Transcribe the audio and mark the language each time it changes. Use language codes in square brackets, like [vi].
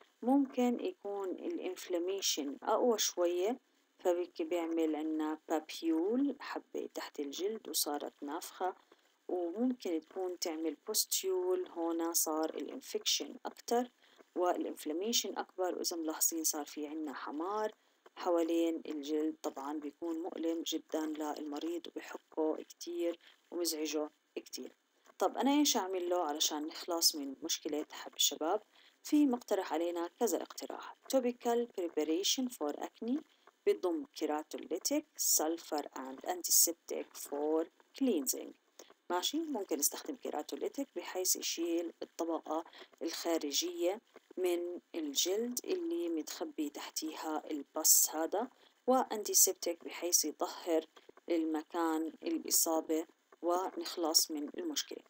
[ar] ممكن يكون الانفلاميشن أقوى شوية فبيعمل عنا بابيول حبة تحت الجلد وصارت نافخة، وممكن تكون تعمل بوستيول هنا صار الانفكشن أكتر والإنفلاميشن أكبر، وإذا ملاحظين صار في عنا حمار حوالين الجلد طبعاً بيكون مؤلم جداً للمريض وبيحكه كتير ومزعجه كتير. طب أنا إيش أعمل له علشان نخلص من مشكلة حب الشباب؟ في مقترح علينا كذا اقتراح. [en] Topical preparation for acne بيضم keratolytic sulphur and antiseptic for cleansing. [ar] ماشي، ممكن نستخدم كيراتوليتك بحيث يشيل الطبقة الخارجية من الجلد اللي متخبي تحتيها البص هذا، وأنتيسيبتك بحيث يطهر المكان الإصابة ونخلص من المشكلة.